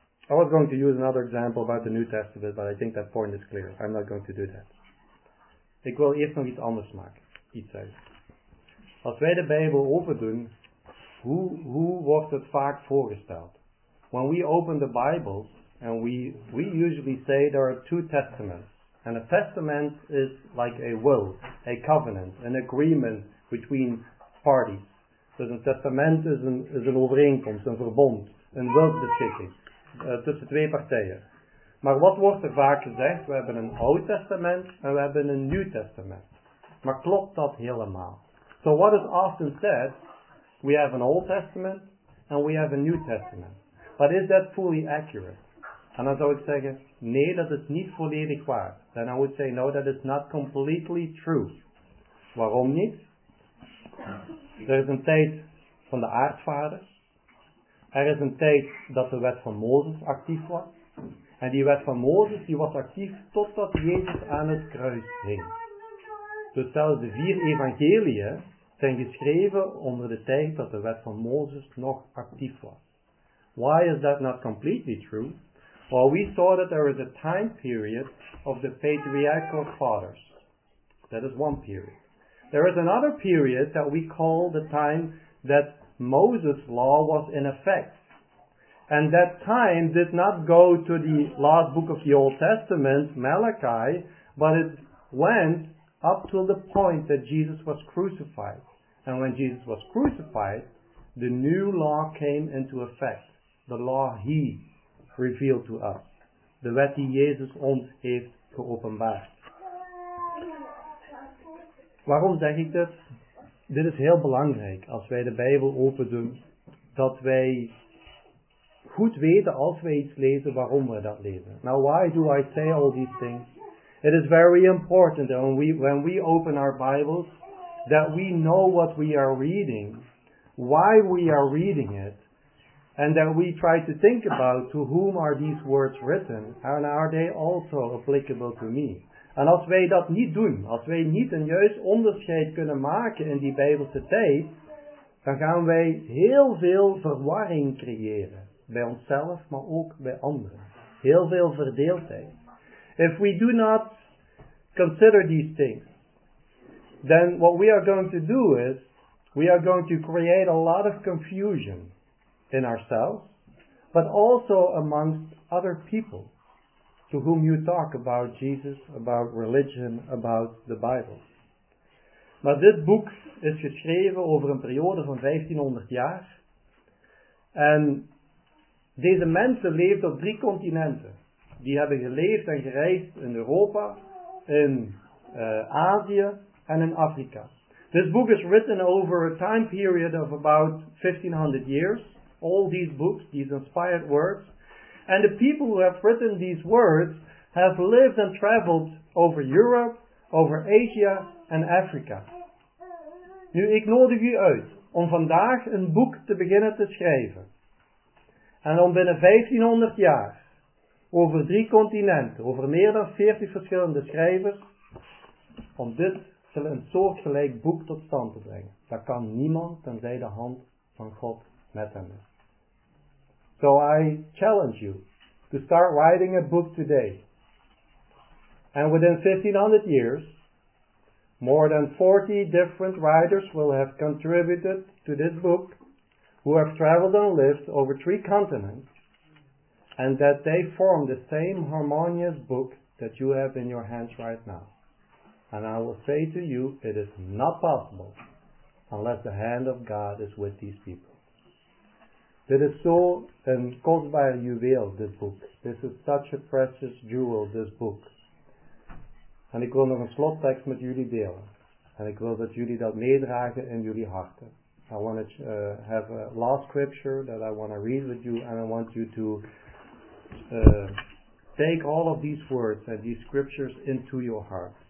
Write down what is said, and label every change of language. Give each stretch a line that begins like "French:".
English: I was going to use another example about the New Testament, but I think that point is clear. I'm not going to do that.
Dutch: Ik wil eerst nog iets anders maken. Iets zeggen. Als wij de Bijbel overdoen, hoe wordt het vaak voorgesteld?
English: When we open the Bible, and we usually say there are two testaments. And a testament is like a will, a covenant, an agreement between parties.
Dutch: Dus een testament is een overeenkomst, een verbond, een wilsbeschikking tussen twee partijen. Maar wat wordt er vaak gezegd? We hebben een Oud Testament en we hebben een Nieuw Testament. Maar klopt dat helemaal?
English: So what is often said, we have an Old Testament and we have a New Testament. But is that fully accurate?
Dutch: En dan zou ik zeggen, nee, dat is niet volledig waar.
English: Then I would say, no, that is not completely true.
Dutch: Waarom niet? Er is een tijd van de aartsvaders. Er is een tijd dat de wet van Mozes actief was. En die wet van Mozes, die was actief totdat Jezus aan het kruis hing. Dus zelfs de vier evangeliën zijn geschreven onder de tijd dat de wet van Mozes nog actief was.
English: Why is that not completely true? Well, we saw that there is a time period of the patriarchal fathers. That is one period. There is another period that we call the time that Moses' law was in effect. And that time did not go to the last book of the Old Testament, Malachi, but it went up to the point that Jesus was crucified. And when Jesus was crucified, the new law came into effect. The law he revealed to us.
Dutch: De wet die Jezus ons heeft geopenbaard. Waarom zeg ik dit? Dit is heel belangrijk als wij de Bijbel opendoen, dat wij goed weten als wij iets lezen, waarom we dat lezen.
English: Now why do I say all these things? It is very important that when we open our Bibles, that we know what we are reading, why we are reading it, and that we try to think about to whom are these words written and are they also applicable to me.
Dutch: En als wij dat niet doen, als wij niet een juist onderscheid kunnen maken in die Bijbelse tijd, dan gaan wij heel veel verwarring creëren. Bij onszelf, maar ook bij anderen. Heel veel verdeeldheid.
English: If we do not consider these things, then what we are going to do is, we are going to create a lot of confusion in ourselves, but also amongst other people to whom you talk about Jesus, about religion, about the Bible.
Dutch: Maar dit boek is geschreven over een periode van 1500 jaar. En deze mensen leefden op drie continenten. Die hebben geleefd en gereisd in Europa, in Azië en in Afrika.
English: This book is written over a time period of about 1500 years. All these books, these inspired words. And the people who have written these words have lived and traveled over Europe, over Asia and Africa.
Dutch: Nu, ik nodig u uit om vandaag een boek te beginnen te schrijven. En om binnen 1500 jaar, over drie continenten, over meer dan 40 verschillende schrijvers, om dit een soortgelijk boek tot stand te brengen. Dat kan niemand tenzij de hand van God met hem is.
English: So I challenge you to start writing a book today. And within 1500 years, more than 40 different writers will have contributed to this book who have traveled and lived over 3 continents, and that they form the same harmonious book that you have in your hands right now. And I will say to you, it is not possible unless the hand of God is with these people. It is so caught by a juwel, this book. This is such a precious jewel, this book.
Dutch: En ik wil nog een slottekst met jullie delen. En ik wil dat jullie dat meedragen in jullie harten.
English: I want to have a last scripture that I want to read with you, and I want you to take all of these words and these scriptures into your heart.